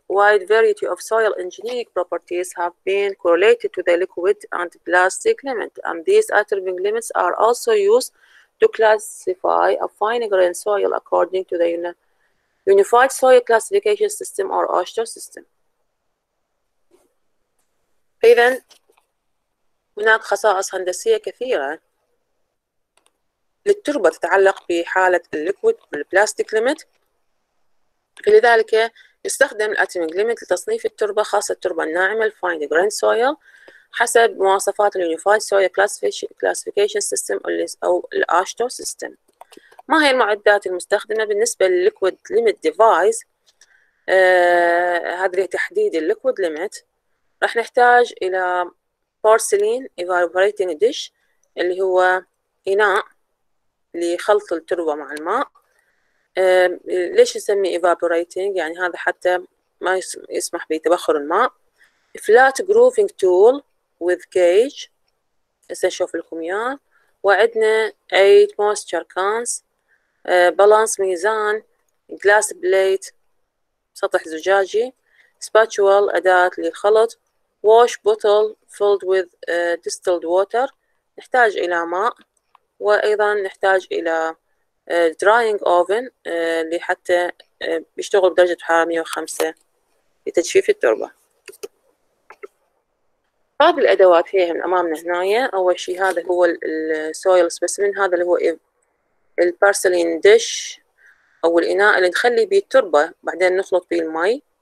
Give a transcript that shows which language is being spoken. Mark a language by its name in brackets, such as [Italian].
[English] Wide variety of soil engineering properties have been correlated to the liquid and plastic limit, and these attribute limits are also used to classify a fine grain soil according to the Unified Soil Classification System or OSHA system. [Arabic] إذا هناك خصائص هندسية كثيرة للتربة تتعلق بحالة الليكويد والبلاستيك ليميت، فلذلك يستخدم الاتوميك ليميت لتصنيف التربة، خاصة التربة الناعمة الفاين جرين سويل، حسب مواصفات اليونيفايد سويل كلاسيفيكيشن سيستم او الاشتو سيستم. ما هي المعدات المستخدمة بالنسبة للليكويد ليميت ديفايس؟ هذا لتحديد الليكويد ليميت راح نحتاج الى بورسلين ايفابوريتنج ديش، اللي هو اناء لخلط التربة مع الماء. ليش نسمي evaporating؟ يعني هذا حتى ما يسمح بتبخر الماء. [English] flat grooving tool with gauge، [Arabic] هسه نشوف لكم اياه. وعندنا 8 moisture cans، balance ميزان، glass plate سطح زجاجي، spatula أداة للخلط، [English] wash bottle filled with distilled water. [Arabic] نحتاج إلى ماء، وأيضا نحتاج إلى drying oven لحتى بيشتغل بدرجة حرارة 105 لتجفيف التربة. بعض الأدوات هي من أمامنا هنا. أول شيء هذا هو السويل سبيسمين، هذا اللي هو البارسلين ديش أو الإناء اللي نخلي به التربة بعدين نخلط به الماء.